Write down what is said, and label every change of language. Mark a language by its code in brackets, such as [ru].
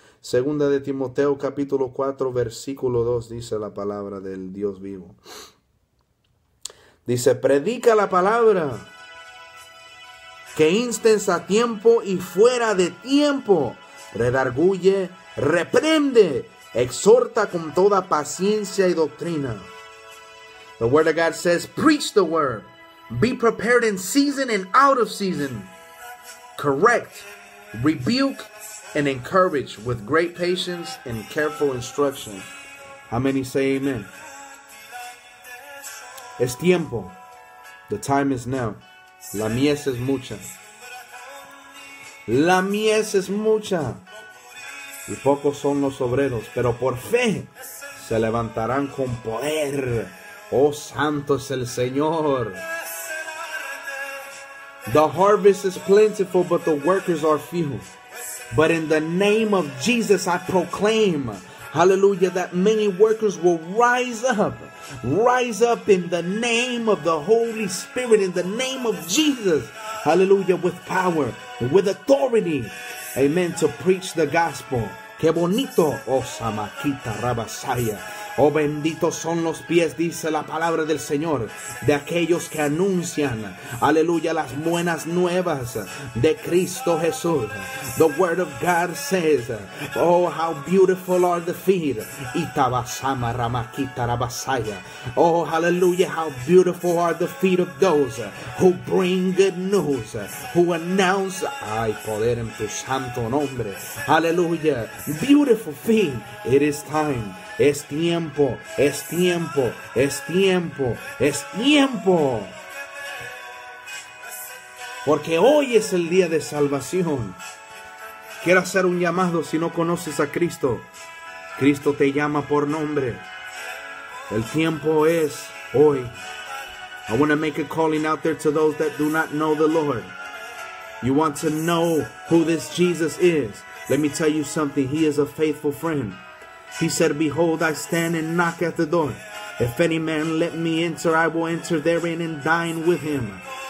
[es] Segunda de Timoteo, capítulo 4, versículo 2, dice la palabra del Dios vivo. Dice, predica la palabra. Que instes a tiempo y fuera de tiempo, redarguye, reprende, exhorta con toda paciencia y doctrina. [en] The word of God says, preach the word. Be prepared in season and out of season. Correct, rebuke, and encourage with great patience and careful instruction. How many say amen? [es] Es tiempo. [en] The time is now. [es] La mies es mucha. La mies es mucha. Y pocos son los obreros. Pero por fe se levantarán con poder. Oh, santo es el Señor. [en] The harvest is plentiful, but the workers are few. But in the name of Jesus, I proclaim, hallelujah, that many workers will rise up. Rise up in the name of the Holy Spirit, in the name of Jesus, hallelujah, with power, with authority, amen, to preach the gospel. [es] Que bonito, oh Samaquita Rabasaya. Oh, benditos son los pies, dice la palabra del Señor, de aquellos que anuncian, aleluya, las buenas nuevas de Cristo Jesús. [en] The word of God says, oh, how beautiful are the feet. Itabasama ramakita rabasaya. Oh, hallelujah, how beautiful are the feet of those who bring good news, who announce, ay, [es] poder en tu santo nombre. [en] Hallelujah, beautiful feet, it is time. [es] Es tiempo, es tiempo, es tiempo, es tiempo. Porque hoy es el día de salvación. Quiero hacer un llamado. Si no conoces a Cristo, Cristo te llama por nombre. El tiempo es hoy. [en] I want to make a calling out there to those that do not know the Lord. You want to know who this Jesus is. Let me tell you something. He is a faithful friend. He said, behold, I stand and knock at the door. If any man let me enter, I will enter therein and dine with him.